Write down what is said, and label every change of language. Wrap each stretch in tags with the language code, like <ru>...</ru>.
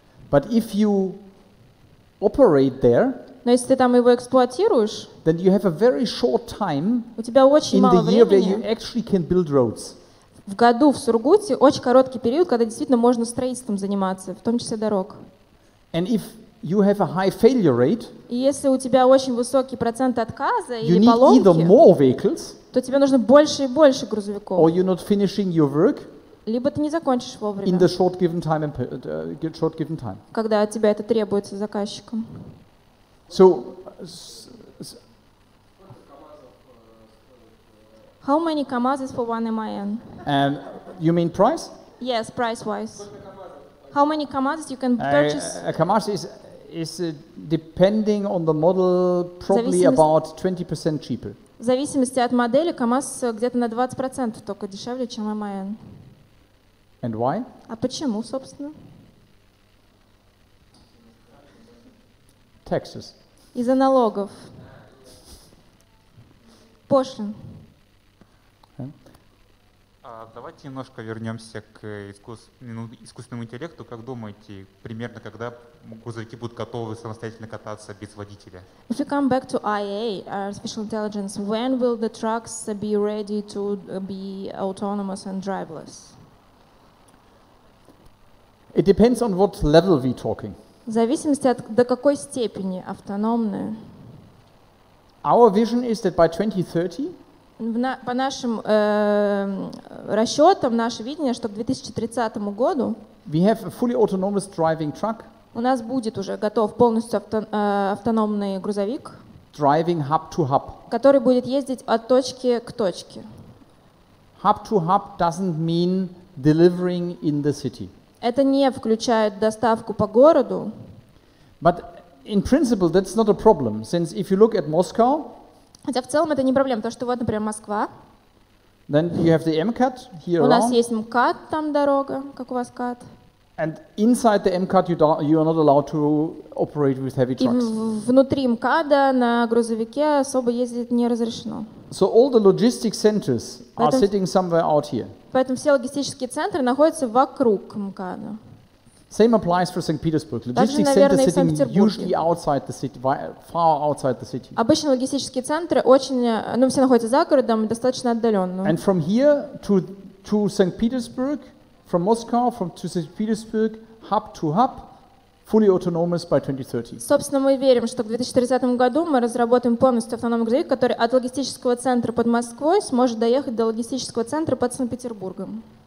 <en>But if you operate there.</en> <ru>Но если ты там его эксплуатируешь,</ru> <en>then you have a very short time</en> <ru>у тебя очень</ru> <en>in</en> <ru>мало</ru> <en>the</en> <ru>времени</ru> <en>year where you actually can build roads.</en> <ru>В году в Сургуте очень короткий период, когда действительно можно строительством заниматься, в том числе дорог.</ru> <en>And if you have a high failure rate,</en> <ru>и если у тебя очень высокий процент отказа</ru> <en>you</en> <ru>или поломки,</ru> <en>need either more vehicles,</en> <ru>то тебе нужно больше и больше грузовиков.</ru> <en>Or you're not finishing your work,</en> <ru>либо ты не закончишь вовремя,</ru> <en>in the short given time,</en> <ru>когда от тебя это требуется заказчиком.</ru> <en>So, how many KAMAZs for one MAN? And you mean price? Yes, price wise. How many KAMAZs you can purchase? A KAMAZ is depending on the model, probably about 20% cheaper.</en> <ru>В зависимости от модели КАМАЗ где-то на 20% только дешевле, чем MAN.</ru> <en>And why?</en> <ru>А почему, собственно?</ru> <en>Taxes.</en> <ru>Из-за налогов. Пошлин. Давайте немножко вернемся к искусственному интеллекту. Как думаете, примерно когда грузовики будут готовы самостоятельно кататься без водителя?</ru> <en>If we come back to IA, artificial intelligence, when will the trucks be ready to be autonomous and driverless? It depends on what level we're talking.</en> <ru>В зависимости от до какой степени автономные.</ru> <en>Our vision is that by 2030,</en> <ru>по нашим расчетам, наше видение, что к 2030 году</ru> <en>we have a fully autonomous driving truck,</en> <ru>у нас будет уже готов полностью автономный грузовик,</ru> <en>driving hub to hub,</en> <ru>который будет ездить от точки к точке.</ru> <en>Hub to hub doesn't mean delivering in the city.</en> <ru>Это не включает доставку по городу.</ru> <en>But in principle, that's not a problem, since if you look at Moscow,</en> <ru>хотя в целом это не проблема, потому что вот, например, Москва.</ru> <en>Then you have the MCAT here</en> <ru>у нас есть МКАД, там дорога, как у вас КАД.</ru> <en>And inside the MCAT you are not allowed to operate with heavy trucks.</en> <ru>И внутри МКАДа на грузовике особо ездить не разрешено.</ru> <en>So all the logistic centers are sitting somewhere out here.</en> <ru>Поэтому все логистические центры находятся вокруг МКАДа.</ru> <en>Same applies for St. Petersburg. Logistics center sitting usually outside the city, far outside the city.</en> <ru>Обычно логистические центры очень, ну, все находятся за городом, достаточно отдаленно.</ru> <en>And from here to St. Petersburg, from Moscow, to St. Petersburg, hub to hub, fully autonomous by 2030.</en> <ru>Собственно, мы верим, что к 2030 году мы разработаем полностью автономный грузовик, который от логистического центра под Москвой сможет доехать до логистического центра под Санкт-Петербургом.</ru>